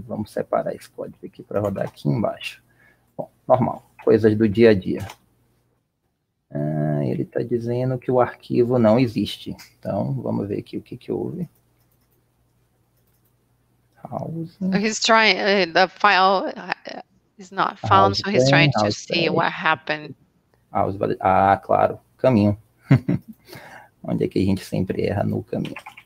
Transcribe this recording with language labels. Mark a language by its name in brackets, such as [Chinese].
[Portuguese] Vamos separar esse código aqui para rodar aqui embaixo. Bom, normal, coisas do dia a dia. Ele está dizendo que o arquivo não existe. Então, vamos ver aqui o que que houve. [English] House. He's trying, the file is not found, house so he's trying to see aí. What happened. [Portuguese] House, ah, claro, caminho. Onde é que a gente sempre erra no caminho?